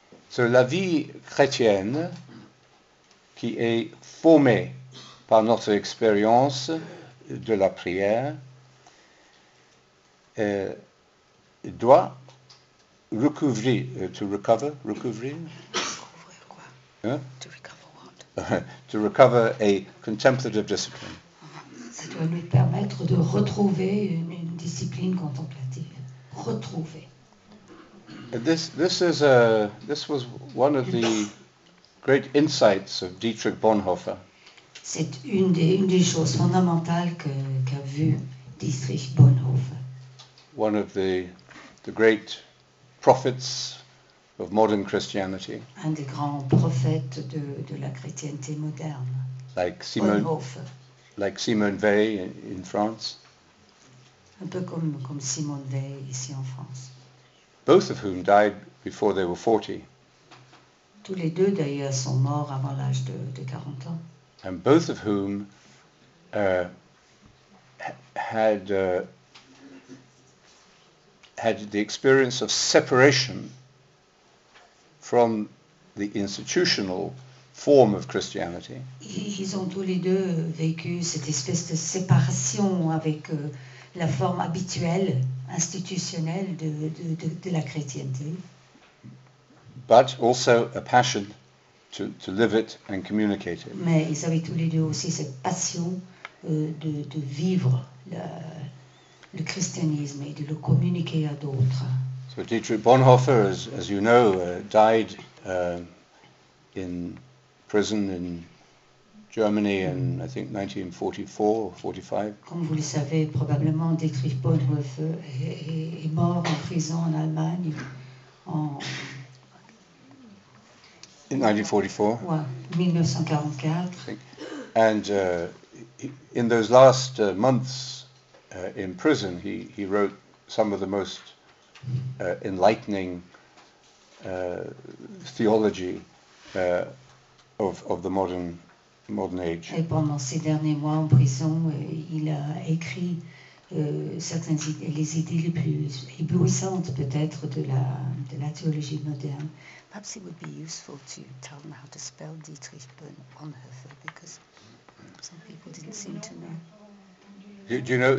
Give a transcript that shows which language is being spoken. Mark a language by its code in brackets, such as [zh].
[fr] C'est la vie chrétienne qui est formée par notre expérience de la prière, doit [en] recover a contemplative discipline. [fr] Ça doit nous permettre de retrouver une discipline contemplative. Retrouver. [en] This was one of the great insights of Dietrich Bonhoeffer. [fr] C'est une des choses fondamentales qu'a vu Dietrich Bonhoeffer. [en] One of the great prophets of modern Christianity. [fr] Un des grands prophètes de la chrétienté moderne. [en] Like Simone Weil in France. [fr] Un peu comme Simone Weil ici en France. [en] Both of whom died before they were 40. [fr] Tous les deux d'ailleurs sont morts avant l'âge de 40 ans. [en] And both of whom had the experience of separation from the institutional form of Christianity. [fr] Ils ont tous les deux vécu cette espèce de séparation avec la forme habituelle, institutionnelle de la chrétienté. [en] But also a passion to live it and communicate it. [fr] Mais ils avaient tous les deux aussi cette passion de vivre le christianisme et de le communiquer à d'autres. [en] So Dietrich Bonhoeffer, as you know, died in prison in Germany in, I think, 1944 or 1945. [fr] Comme vous le savez probablement, Dietrich Bonhoeffer est mort en prison en Allemagne en... [en] In 1944. And in those last months in prison, he wrote some of the most enlightening theology of the modern age. [fr] Et pendant ces derniers mois en prison, il a écrit certaines les idées les plus éblouissantes peut-être de la théologie moderne. [en] Perhaps it would be useful to tell them how to spell Dietrich Bonhoeffer, because some people didn't seem to know.